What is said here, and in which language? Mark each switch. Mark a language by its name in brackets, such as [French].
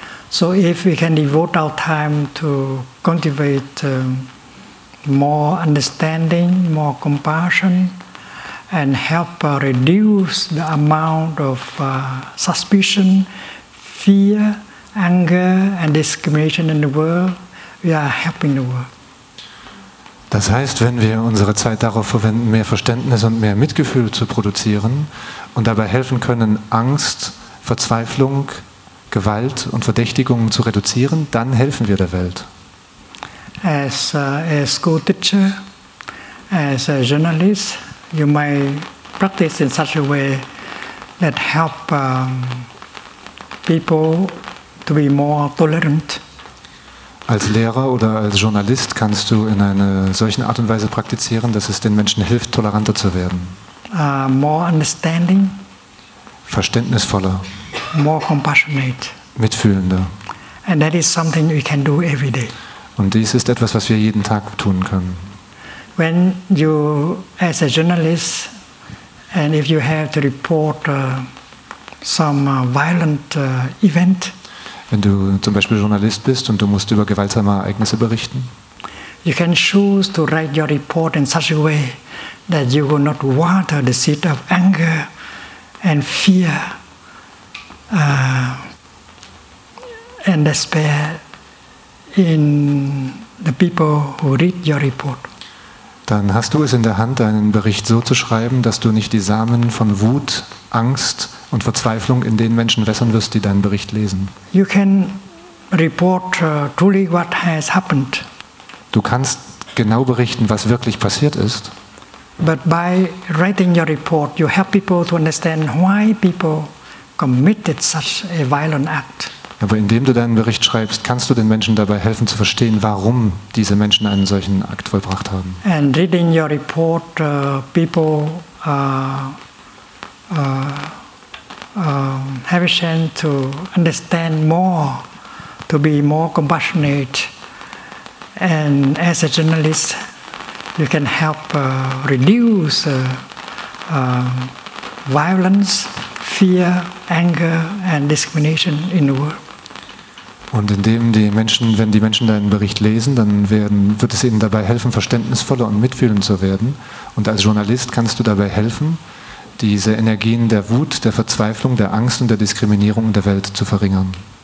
[English] So if we can devote our time to cultivate more understanding, more compassion and help reduce the amount of suspicion, fear, anger and discrimination in the world, we are helping the world. [German] Das heißt, wenn wir unsere Zeit darauf verwenden, mehr Verständnis und mehr Mitgefühl zu produzieren und dabei helfen können, Angst, Verzweiflung, Gewalt und Verdächtigungen zu reduzieren, dann helfen wir der Welt. [English] As a school teacher, as a journalist, you may practice in such a way that help people to be more tolerant. [German] Als Lehrer oder als Journalist kannst du in einer solchen Art und Weise praktizieren, dass es den Menschen hilft, toleranter zu werden. [English] More understanding. [German] Verständnisvoller. [English] More compassionate. [German] Mitfühlender. [English] And that is something we can do every day. [German] Und dies ist etwas, was wir jeden Tag tun können. [English] When you, as a journalist, and if you have to report some violent event. [German] Wenn du zum Beispiel Journalist bist und du musst über gewaltsame Ereignisse berichten. [English] You can choose to write your report in such a way that you will not water the seed of anger and fear and despair in the people who read your report. [German] Dann hast du es in der Hand, deinen Bericht so zu schreiben, dass du nicht die Samen von Wut, Angst und Verzweiflung in den Menschen wässern wirst, die deinen Bericht lesen. [English] You can report truly what has happened. [German] Du kannst genau berichten, was wirklich passiert ist. [English] But by writing your report, you help people to understand why people committed such a violent act. [German] Aber indem du deinen Bericht schreibst, kannst du den Menschen dabei helfen zu verstehen, warum diese Menschen einen solchen Akt vollbracht haben. [English] And reading your report, people have a chance to understand more, to be more compassionate, and as a journalist, you can help reduce violence, fear, anger, and discrimination in the world. [German] Und indem die Menschen, wenn die Menschen deinen Bericht lesen, dann wird es ihnen dabei helfen, verständnisvoller und mitfühlend zu werden. Und als Journalist kannst du dabei helfen, diese Energien der Wut, der Verzweiflung, der Angst und der Diskriminierung in der Welt zu verringern.